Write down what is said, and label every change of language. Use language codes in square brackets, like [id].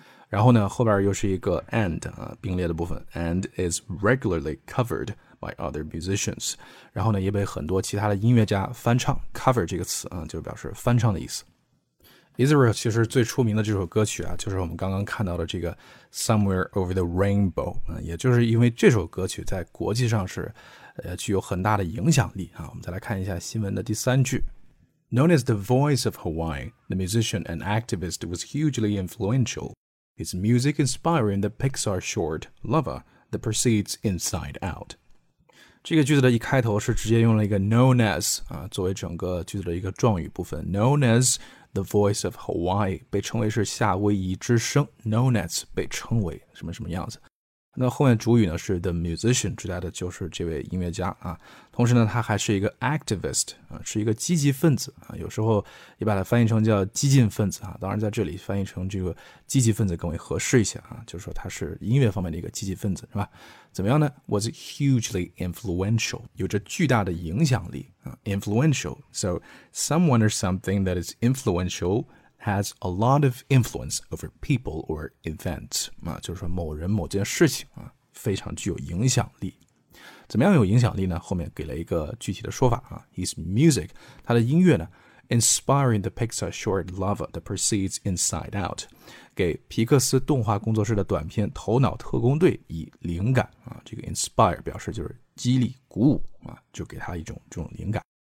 [zh] 然后呢后边又是一个 and 啊，并列的部分， [en] and is regularly covered by other musicians， [zh] 然后呢也被很多其他的音乐家翻唱， cover 这个词啊，就表示翻唱的意思。 Israel 其实最出名的这首歌曲啊，就是我们刚刚看到的这个 Somewhere Over the Rainbow、也就是因为这首歌曲在国际上是、具有很大的影响力啊。我们再来看一下新闻的第三句。 [en] Known as the voice of Hawaii, the musician and activist was hugely influential. His music inspiring the Pixar short Lover that proceeds Inside Out. [zh] 这个句子的一开头是直接用了一个 known as、啊、作为整个句子的一个状语部分。 [en] Known asThe voice of Hawaii [zh] 被称为是夏威夷之声 ，known as 被称为什么什么样子？那后面主语呢是 the musician， 指代的就是这位音乐家啊。同时呢，他还是一个 activist 啊，是一个积极分子啊。有时候也把它翻译成叫激进分子啊。当然在这里翻译成这个积极分子更为合适一些啊，就是说他是音乐方面的一个积极分子，是吧？怎么样呢 ？ [en] Was hugely influential， [zh] 有着巨大的影响力啊。 [en] Influential， so someone or something that is influential has a lot of influence over people or events 啊， [zh] 就是说某人某件事情啊，非常具有影响力。怎么样有影响力呢？后面给了一个具体的说法啊 ， [en] His music， [zh] 他的音乐呢 ， [en] inspiring the Pixar short Lover that proceeds Inside Out， [zh] 给皮克斯动画工作室的短片《头脑特工队》以灵感啊。这个 inspire 表示就是激励、鼓舞啊，就给他一种这种灵感。